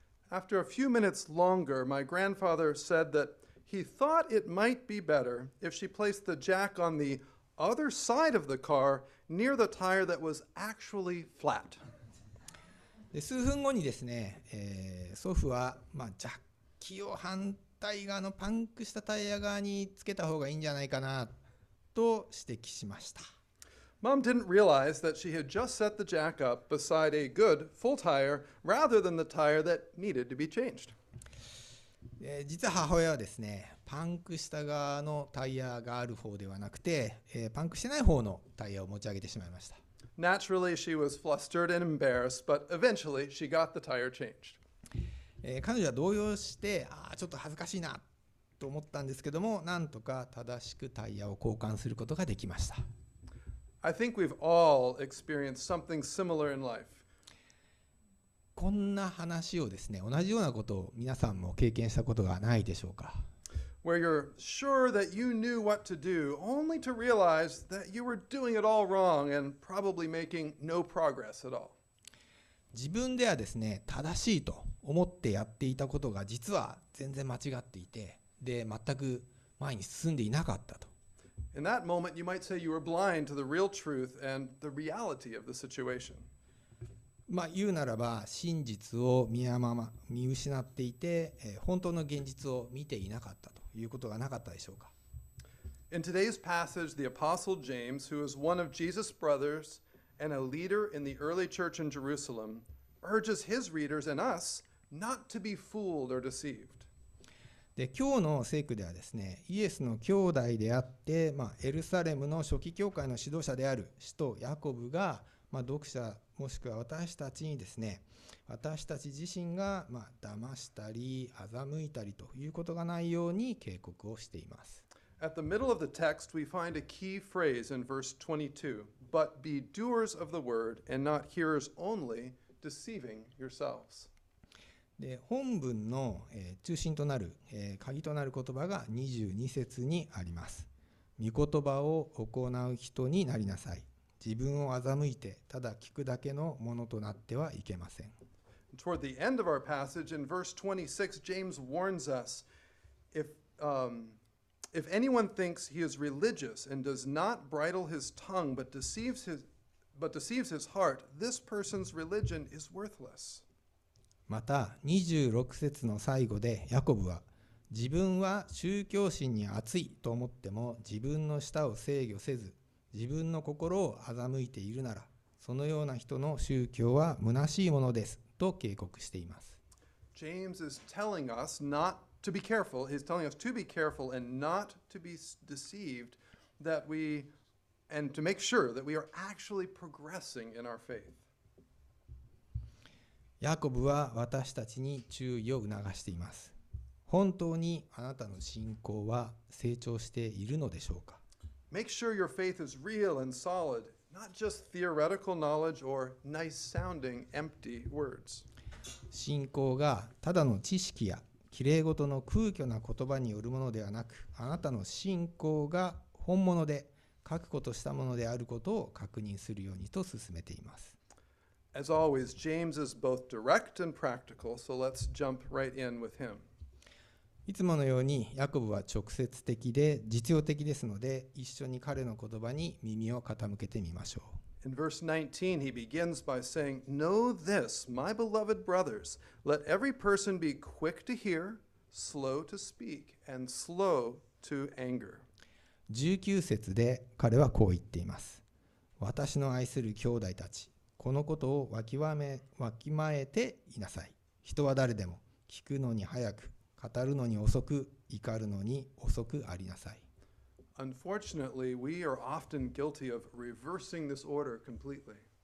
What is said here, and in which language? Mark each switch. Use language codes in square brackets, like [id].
[en] After a few minutes longer, my grandfather said that he thought it might be better if she placed the jack on the other side of the car near the tire that was actually flat. [ja] で、数分後にですね、祖父は、まあ、ジャッキを反対側のパンクしたタイヤ側につけた方がいいんじゃないかなと指摘しました。 [en] Mom didn't realize that she had just set the jack up beside a good full tire rather than the tire that needed to be changed. [ja] 実は母親はですね、パンクした側のタイヤがある方ではなくて、パンクしてない方のタイヤを持ち上げてしまいました。 [en] Naturally, she was flustered and embarrassed, but eventually she got the tire changed. [ja] 彼女は動揺して、ああ、ちょっと恥ずかしいなと思ったんですけども、なんとか正しくタイヤを交換することができました。 [en] I think we've all experienced something similar in life. [ja] こんな話をですね、同じようなことを皆さんも経験したことがないでしょうか。 [en] Where you're sure that you knew what to do, only to realize that you were doing it all wrong and probably making no progress at all. [ja] 自分ではですね、正しいと思ってやっていたことが実は全然間違っていて、で、全く前に進んでいなかったと。 [en] In that moment, you might say you were blind to the real truth and the reality of the situation. [ja] まあ、言うならば、真実を見失っていて、本当の現実を見ていなかったということがなかったでしょうか。 [en] In today's passage, the Apostle James, who is one of Jesus' brothers and a leader in the early church in Jerusalem, urges his readers and us not to be fooled or deceived. [ja] で今日の聖句ではですね、イエスの兄弟であって、まあ、エルサレムの初期教会の指導者である使徒ヤコブが、まあ、読者もしくは私たちにですね、私たち自身が、まあ、騙したり欺いたりということがないように警告をしています。 [en] At the middle of the text, we find a key phrase in verse 22, but be doers of the word and not hearers only, deceiving yourselves. [ja] で本文の、中心となる、鍵となる言葉が22節にあります。御言葉を行う人になりなさい。自分を欺いてただ聞くだけのものとなってはいけません。 [en] Toward the end of our passage, in verse 26, James warns us, if anyone thinks he is religious and does not bridle his tongue but deceives his heart, this person's religion is worthless. [ja] また26節の最後でヤコブは自分は宗教心に熱いと思っても自分の舌を制御せず自分の心を欺いているならそのような人の宗教は虚しいものですと警告しています。 [en] James is telling us not to be careful. He's telling us to be careful and not to be deceived that we and to make sure that we are actually progressing in our faith [ja] ヤコブは私たちに注意を促しています。本当にあなたの信仰は成長しているのでしょうか。 [en] Make sure your faith is real and solid, not just theoretical knowledge or nice sounding empty words. [ja] 信仰がただの知識やきれいごとの空虚な言葉によるものではなく、あなたの信仰が本物で確固としたものであることを確認するようにと勧めています。 [en] As always, James is both direct and practical, so let's jump right in with him. [ja] いつものようにヤコブは直接的で実用的ですので、一緒に彼の言葉に耳を傾けてみましょう。 [en] In verse 19, he begins by saying, Know this, my beloved brothers, let every person be quick to hear, slow to speak, and slow to anger. [ja] 19節で彼はこう言っています。私の愛する兄弟たち、このことをわきまえていなさい。人は誰でも聞くのに早く、語るのに遅く、怒るのに遅くありなさい。 [en] Unfortunately, we are often guilty of reversing this order completely.